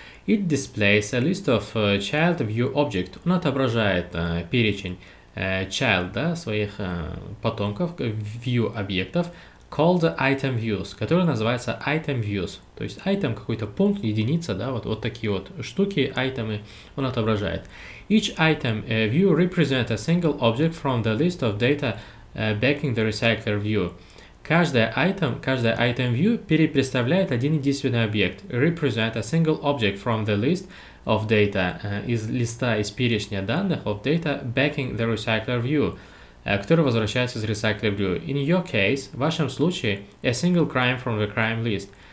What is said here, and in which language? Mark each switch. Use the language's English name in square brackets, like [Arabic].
[English] It displays a list of child view object. [Russian] Он отображает перечень child, да, своих потомков, view объектов, [English] called item views, [Russian] который называется item views. То есть item какой-то пункт, единица, да, вот такие вот штуки, айтемы он отображает. [English] Each item view represents a single object from the list of data backing the recycler view. [Russian] Каждая item view перепредставляет один единственный объект. [English] Represent a single object from the list of data, [Russian] из листа, из перечня данных [English] of data backing the recycler view, [Russian] который возвращается из Recycler View. [English] In your case, [Russian] в вашем случае, [English] a single crime from the crime list.